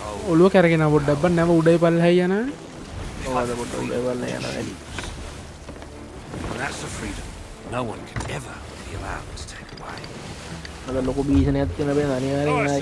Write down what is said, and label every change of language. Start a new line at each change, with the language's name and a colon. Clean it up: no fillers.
Sinhala: ඔළුව කරගෙන පොඩ්ඩක් බං නැව උඩයි පල්ලෙහායි යනවා. ඔව්ද පොඩ්ඩක් උඩයි පල්ලෙහායි යනවා.
English: That's the freedom no one can ever be allowed to take away.
Sinhala: අද ලොකු බීෂණයක් තියෙන බෑ අනිවාර්යෙන්ම